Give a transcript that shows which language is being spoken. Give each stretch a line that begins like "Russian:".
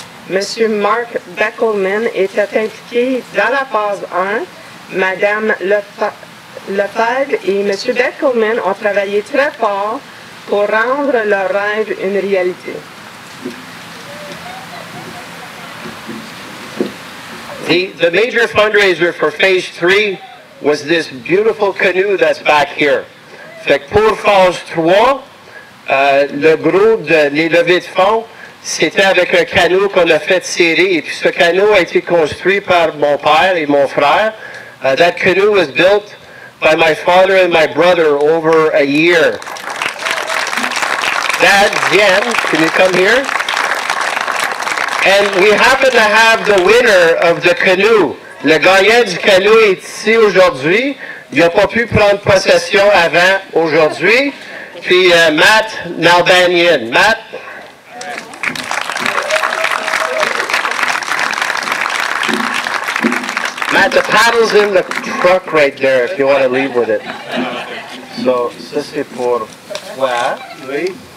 French: Monsieur Mark Beckelman était impliqué dans la phase 1. Madame Lefebvre et Monsieur Beckelman ont travaillé très fort pour rendre leur rêve une réalité.
English: The major fundraiser for phase 3 was this beautiful canoe that's back here.
French: Fait que pour phase 3, le gros de les levées de fonds, c'était avec un canot qu'on a fait serrer. Et puis ce canot a été construit par mon père et mon frère.
English: That canoe was built by my father and my brother over a year. Dad, Jen, can you come here? And we happen to have the winner of the canoe.
French: Le gagnant du canoe est ici aujourd'hui. Il n'a pas pu prendre possession avant aujourd'hui. Puis Matt Nalbanian. Matt?
English: Matt, the paddle's in the truck right there if you want to leave with it.
French: So, ça c'est pour toi, oui.